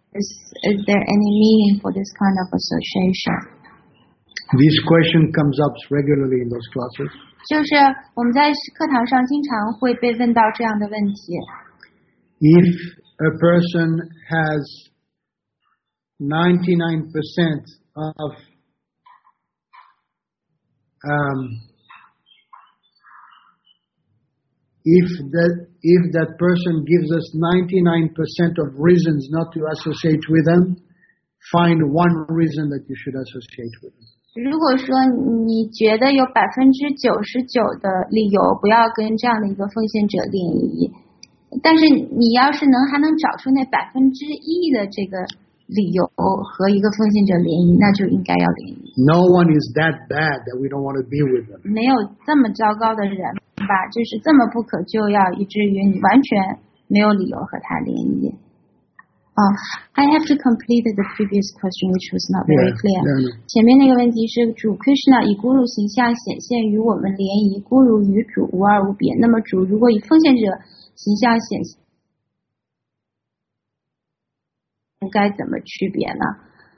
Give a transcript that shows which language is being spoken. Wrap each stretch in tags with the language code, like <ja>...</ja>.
<en>Is there any meaning for this kind of association? This question comes up regularly in those classes.</en> <zh>就是我们在课堂上经常会被问到这样的问题。</zh> <en>If a person has 99% of if that person gives us 99% of reasons not to associate with them, find one reason that you should associate with them.</en> <zh>如果说你觉得有99%的理由不要跟这样的一个奉献者联谊，但是你要是还能找出那1%的这个理由和一个奉献者联谊，那就应该要联谊。</zh> <en>No one is that bad that we don't want to be with them.</en> <zh>没有这么糟糕的人吧，就是这么不可救药，以至于你完全没有理由和他联谊。</zh> <en>I have to complete the previous question, which was not very clear. Yeah, no, no.</en> <zh>前面那个问题是主 Krishna 以 Guru 形象显现与我们联谊， Guru 与主无二无别。那么主如果以奉献者形象显现，该怎么区别呢？</zh>